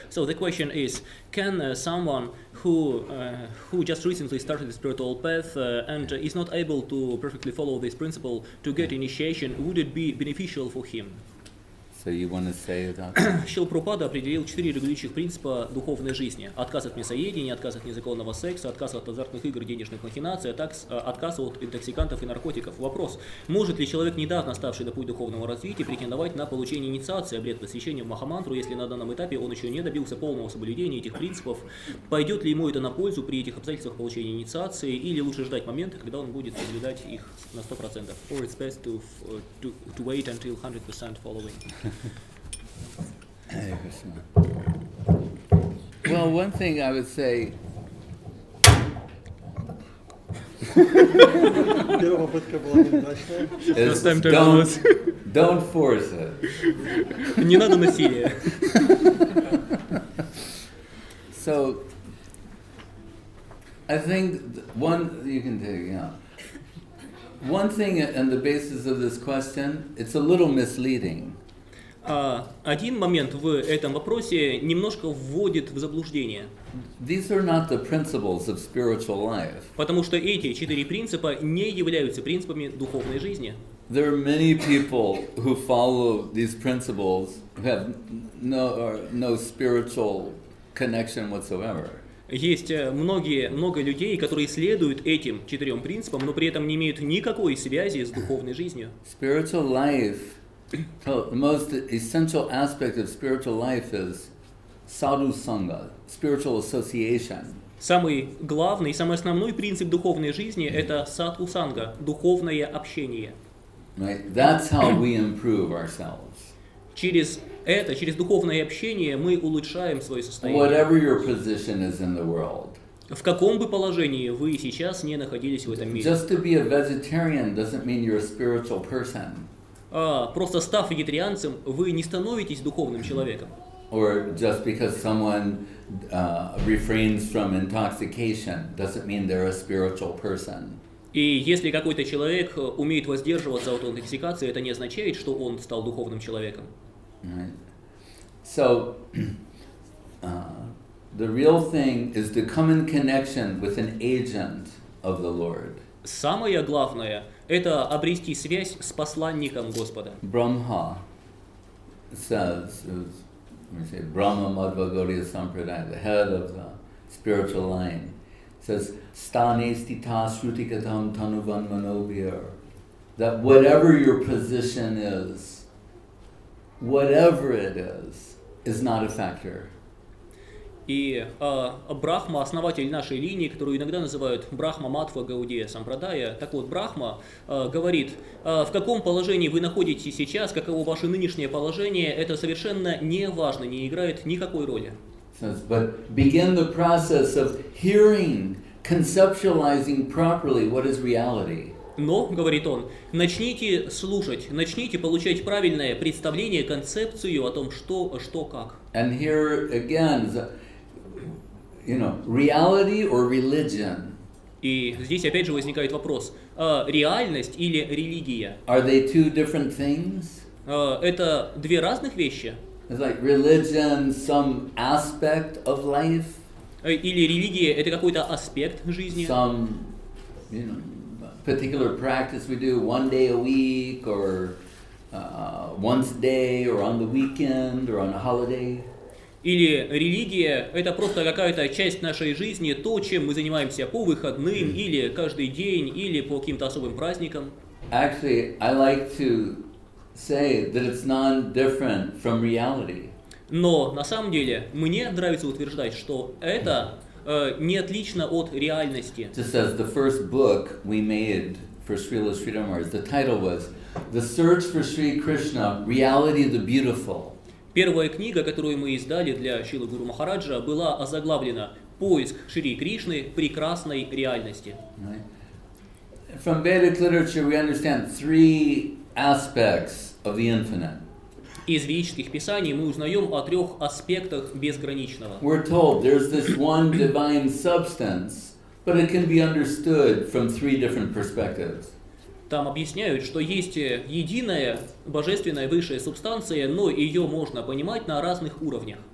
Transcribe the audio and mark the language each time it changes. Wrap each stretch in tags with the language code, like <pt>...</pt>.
<en>So the question is, can someone who just recently started the spiritual path and is not able to perfectly follow this principle to get initiation, would it be beneficial for him? So you want to say that?</en> <ru>Шрила Прабхупада определил четыре регулирующих принципа духовной жизни: отказ от мясоедения, отказ от незаконного секса, отказ от азартных игр, денежных махинаций, отказ от интоксикантов и наркотиков. Вопрос: может ли человек, недавно ставший на путь духовного развития, претендовать на получение инициации, обряд посвящения в Махамантру, если на данном этапе он еще не добился полного соблюдения этих принципов? Пойдет ли ему это на пользу при этих обстоятельствах получения инициации, или лучше ждать момента, когда он будет соблюдать их на 100%?</ru> <en>Or it's best to wait until 100% following? Well, one thing I would say. First time to lose. Don't force it.</en> <ru>Не надо насилия.</ru> <en>So, I think one you can take. Yeah. One thing on the basis of this question, it's a little misleading.</en> <ru>Один момент в этом вопросе немножко вводит в заблуждение.</ru> <en>These are not the principles of spiritual life.</en> <ru>Потому что эти четыре принципа не являются принципами духовной жизни.</ru> <en>There are many people who follow these principles who have no spiritual connection whatsoever.</en> <ru>Есть много людей, которые следуют этим четырем принципам, но при этом не имеют никакой связи с духовной жизнью.</ru> <en>Spiritual life. So the most essential aspect of spiritual life is sadhu sangha, spiritual association.</en> <ru>Самый главный, самый основной принцип духовной жизни это садху санга, духовное общение.</ru> <en>Right, that's how we improve ourselves.</en> <ru>Через это, через духовное общение мы улучшаем свое состояние.</ru> <en>Whatever your position is in the world.</en> <ru>В каком бы положении вы сейчас не находились в этом мире.</ru> <en>Just to be a vegetarian doesn't mean you're a spiritual person.</en> <ru>Просто став вегетарианцем, вы не становитесь духовным человеком.</ru> <en>Or just because someone refrains from intoxication doesn't mean they're a spiritual person.</en> <ru>И если какой-то человек умеет воздерживаться от интоксикации, это не означает, что он стал духовным человеком.</ru> <en>Right. So the real thing is to come in connection with an agent of the Lord.</en> <ru>Самое главное это обрести связь с посланником Господа.</ru> <en>Brahma says, let me say, Brahma Madhva Gaudiya Sampradaya, the head of the spiritual line, says,</en> <sa>Stane stita srutikatam tanuvan manobhir.</sa> <en>That whatever your position is, whatever it is not a factor.</en> <ru>И Брахма, основатель нашей линии, которую иногда называют Брахма Матва Гаудия Сампрадая, так вот, Брахма говорит, в каком положении вы находитесь сейчас, каково ваше нынешнее положение, это совершенно не важно, не играет никакой роли.</ru> <en>But begin the process of hearing, conceptualizing properly what is reality.</en> <ru>Но, говорит он, начните слушать, начните получать правильное представление, концепцию о том, что как.</ru> <en>And here again, you know, reality or religion?</en> <ru>И здесь опять же возникает вопрос: реальность или религия?</ru> <en>Are they two different things?</en> <ru>Это две разных вещи?</ru> <en>It's like religion, some aspect of life.</en> <ru>Или религия это какой-то аспект жизни?</ru> <en>Some, you know, particular practice we do one day a week or once a day or on the weekend or on a holiday.</en> <ru>Или религия – это просто какая-то часть нашей жизни, то, чем мы занимаемся по выходным, mm-hmm. или каждый день, или по каким-то особым праздникам.</ru> <en>Actually, I like to say that it's non-different from reality.</en> <ru>Но на самом деле мне нравится утверждать, что это не отлично от реальности.</ru> <en>Just as the first book we made for Sri Lila Sridharmaraj, the title was «The Search for Sri Krishna, Reality the Beautiful».</en> <ru>Первая книга, которую мы издали для Шрилы Гуру Махараджа, была озаглавлена «Поиск Шри Кришны прекрасной реальности».</ru> <en>Right. From Vedic literature we understand three aspects of the infinite.</en> <ru>Из ведических писаний мы узнаем о трех аспектах безграничного.</ru> <en>We're told there's this one divine substance, but it can be understood from three different perspectives.</en> <ru>Там объясняют, что есть единая божественная высшая субстанция, но ее можно понимать на разных уровнях.</ru>